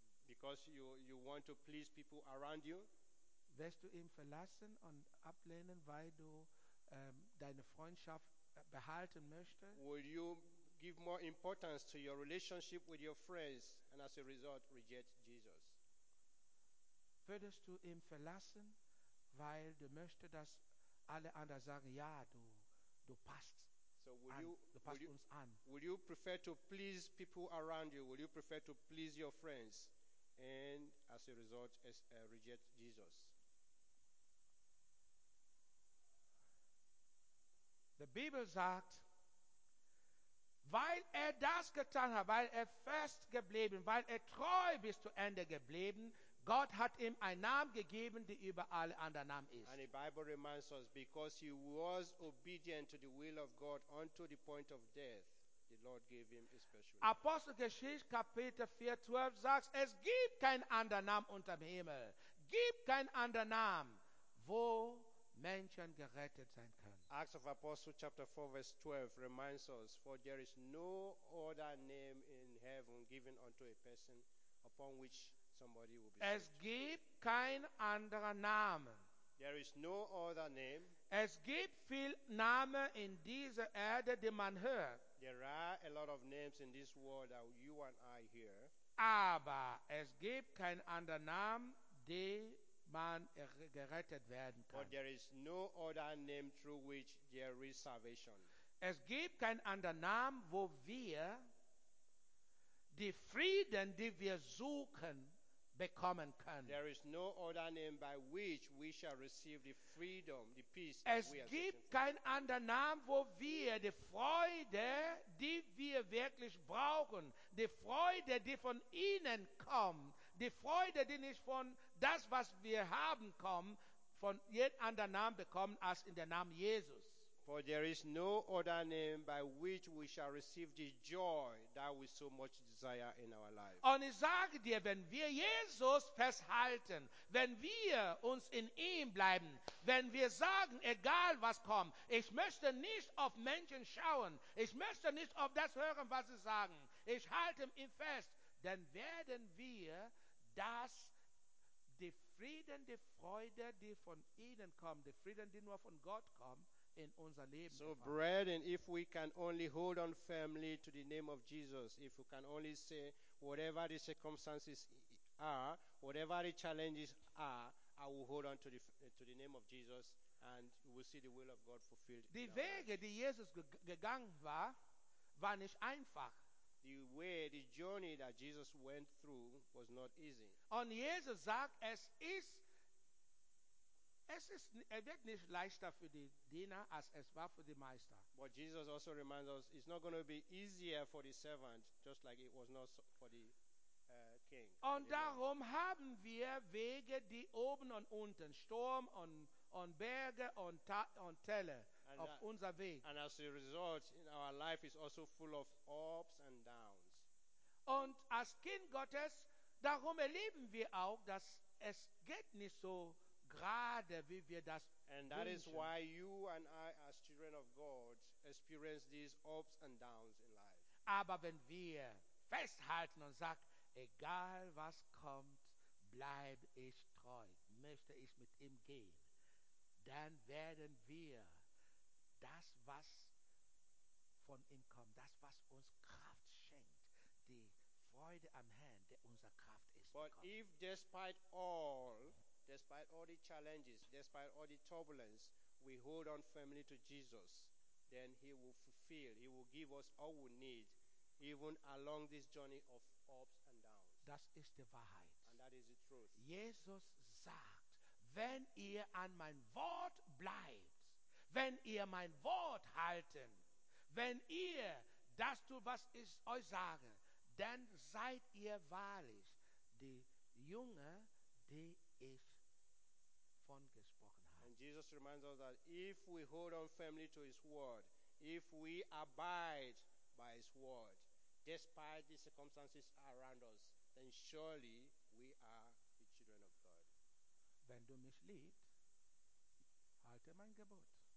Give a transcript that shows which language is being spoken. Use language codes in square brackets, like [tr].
[en] Because you want to please people around you. [de] Wirst du ihn verlassen und ablehnen, weil du deine Freundschaft behalten möchtest? [en] Will you give more importance to your relationship with your friends and as a result reject Jesus? [de] Würdest du ihn verlassen, weil du möchtest, dass alle anderen sagen, ja, du passt. [en] So will you, [de] du passt [en] will [de] uns [en] you, [de] an. [en] Will you prefer to please people around you? Will you prefer to please your friends and as a result reject Jesus? [de] Die Bibel sagt, weil er das getan hat, weil er fest geblieben, weil er treu bis zum Ende geblieben, Gott hat ihm einen Namen gegeben, der über alle anderen Namen ist. [en] And the Bible reminds us, because he was obedient to the will of God unto the point of death, the Lord gave him a special name. [de] Apostelgeschichte Kapitel 4, 12 sagt, es gibt keinen anderen Namen unter dem Himmel. Gibt keinen anderen Namen, wo Menschen gerettet sein können. [en] Acts of Apostles chapter 4 verse 12 reminds us, for there is no other name in heaven given unto a person upon which somebody will be saved. [de] Es gibt kein anderer Name. [en] There is no other name. [de] Es gibt viel Name in dieser Erde, die man hört. [en] There are a lot of names in this world that you and I hear. [de] Aber es gibt kein anderer Name, die man gerettet werden kann. [en] But there is no other name through which there is salvation. [de] Es gibt keinen anderen Namen, wo wir die Frieden, die wir suchen, bekommen können. [en] There is no other name by which we shall receive the freedom, the peace. [de] Es gibt keinen anderen Namen, wo wir die Freude, die wir wirklich brauchen, die Freude, die von ihnen kommt, die Freude, die nicht von das, was wir haben, kommt, von jedem anderen Namen bekommen, als in der Namen Jesus. [en] For there is no other name by which we shall receive the joy that we so much desire in our life. [de] Und ich sage dir, wenn wir Jesus festhalten, wenn wir uns in ihm bleiben, wenn wir sagen, egal was kommt, ich möchte nicht auf Menschen schauen, ich möchte nicht auf das hören, was sie sagen, ich halte ihn fest, dann werden wir das, die Frieden, die Freude, die von ihnen kommt, die Frieden, die nur von Gott kommt, in unser Leben. [en] So, brethren, if we can only hold on firmly to the name of Jesus, if we can only say, whatever the circumstances are, whatever the challenges are, I will hold on to the name of Jesus, and we will see the will of God fulfilled. [de] Die Wege, die Jesus gegangen war, war nicht einfach. [en] The way, the journey that Jesus went through was not easy. [de] Und Jesus sagt, es wird nicht leichter für die Diener, als es war für den Meister. [en] But Jesus also reminds us, it's not going to be easier for the servant, just like it was not for the king. [de] Und darum haben wir Wege, die oben und unten, Sturm und Berge und Täler auf unser Weg. [en] And as a result, in our life is also full of ups and downs. [de] Und als Kind Gottes, darum erleben wir auch, dass es geht nicht so gerade, wie wir das wünschen. [en] And that is why you and I, as children of God, experience these ups and downs in life. [de] Aber wenn wir festhalten und sagen, egal was kommt, bleib ich treu, möchte ich mit ihm gehen, dann werden wir das, was von ihm kommt, das, was uns Kraft schenkt, die Freude am Herrn, der unser Kraft ist. [en] But [de] bekommt. [en] If despite all, despite all the challenges, despite all the turbulence, we hold on firmly to Jesus, then he will fulfill, he will give us all we need, even along this journey of ups and downs. [de] Das ist die Wahrheit. [en] And that is the truth. [de] Jesus sagt, wenn ihr an mein Wort bleibt, wenn ihr mein Wort halten, wenn ihr das tut, was ich euch sage, dann seid ihr wahrlich die Jünger, die ich von gesprochen habe. [en] And Jesus reminds us that if we hold on firmly to his word, if we abide by his word, despite the circumstances around us, then surely we are the children of God. [de] Wenn du mich liebst, halte mein Gebot.